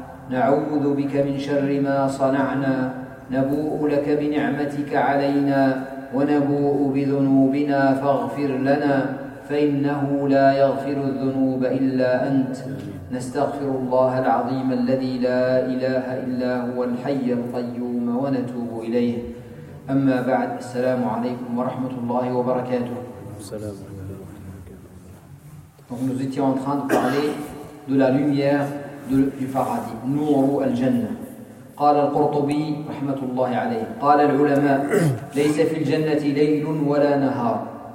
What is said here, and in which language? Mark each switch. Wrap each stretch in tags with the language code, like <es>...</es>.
<ar>نعوذ بك من شر ما صنعنا، نبوء لك بنعمتك علينا ونبوء بذنوبنا، فاغفر لنا فإنه لا يغفر الذنوب إلا أنت. نستغفر الله العظيم الذي لا إله إلا هو الحي القيوم ونتوب إليه. أما بعد، السلام عليكم ورحمة الله وبركاته. السلام عليكم ورحمة الله وبركاته.</ar> <fr>Donc nous étions en train de parler de la lumière du paradis,</fr> <ar>نور الجنة. قال القرطبي رحمة الله عليه، قال العلماء ليس في الجنة ليل ولا نهار،</ar>